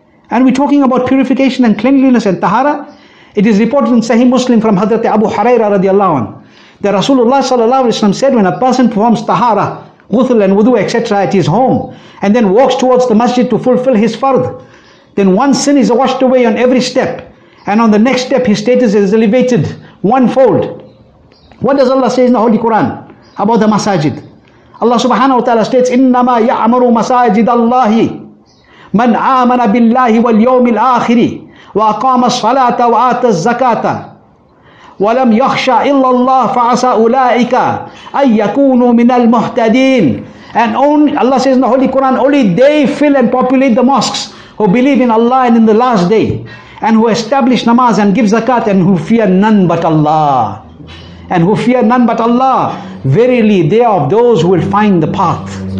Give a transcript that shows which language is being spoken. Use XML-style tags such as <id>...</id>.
<en>And we're talking about purification and cleanliness and tahara. It is reported in Sahih Muslim from Hadrat Abu Hurairah radiallahu anh that Rasulullah sallallahu alayhi wa sallam said, when a person performs tahara, ghusl and wudu, etc. at his home, and then walks towards the masjid to fulfill his fard, then one sin is washed away on every step, and on the next step his status is elevated one fold. What does Allah say in the Holy Quran about the masajid?</en> <ar>Allah subhanahu wa ta'ala states, إِنَّمَا يَعْمَرُ مَسَاجِدَ اللَّهِ مَنْ آمَنَ بِاللَّهِ وَالْيَوْمِ الْآخِرِ وَأَقَامَ الصَّلَاةَ وَآتَ الزَّكَاةَ وَلَمْ يَخْشَ إِلَّا اللَّهِ فَعَسَ أُولَٰئِكَ أَنْ يَكُونُوا مِنَ الْمُهْتَدِينَ.</ar> <en>And only, Allah says in the Holy Quran, only they fill and populate the mosques who believe in Allah and in the last day, and who establish namaz and give zakat, and who fear none but Allah. Verily, they are of those who will find the path.</en>